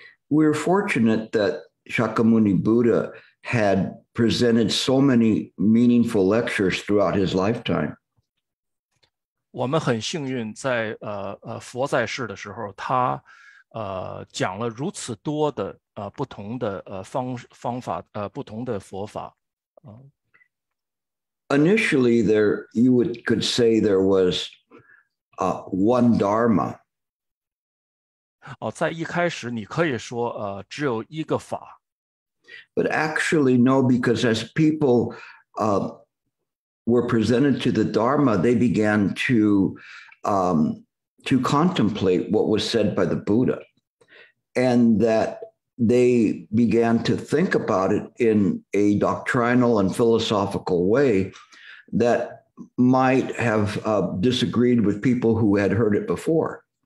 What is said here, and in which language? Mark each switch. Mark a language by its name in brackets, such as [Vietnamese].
[English] We're fortunate that Shakyamuni Buddha had presented so many meaningful lectures throughout his lifetime. [Chinese] 我们很幸运在，佛在世的时候，他讲了如此多的不同的方法不同的佛法。 [English] Initially, there you would could say there was one dharma. [Chinese] 在一开始你可以说只有一个法。 [English] But actually, no, because as people were presented to the dharma, they began to contemplate what was said by the Buddha. And that they began to think about it in a doctrinal and philosophical way that might have disagreed with people who had heard it before.